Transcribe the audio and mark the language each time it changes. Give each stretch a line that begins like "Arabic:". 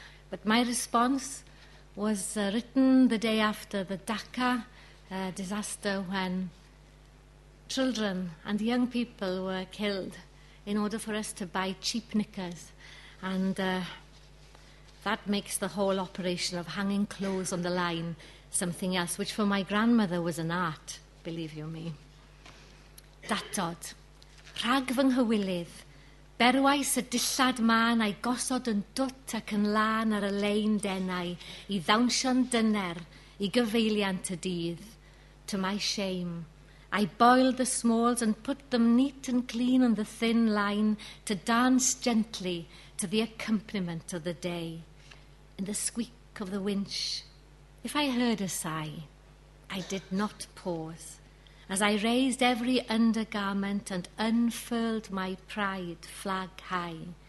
English: But my response was written the day after the Dhaka disaster, when children and young people were killed in order for us to buy cheap knickers. And that makes the whole operation of hanging clothes on the line something else, which for my grandmother was an art, believe you me.
Welsh: Datod, rhag fy nghywilydd, berwais y dillad man a'i gosod yn dwt ac yn lan ar y lein denau i ddawnsio'n dyner i gyfeiliant y dydd.
English: To my shame, I boiled the smalls and put them neat and clean on the thin line to dance gently to the accompaniment of the day. In the squeak of the winch, if I heard a sigh, I did not pause, as I raised every undergarment and unfurled my pride flag high.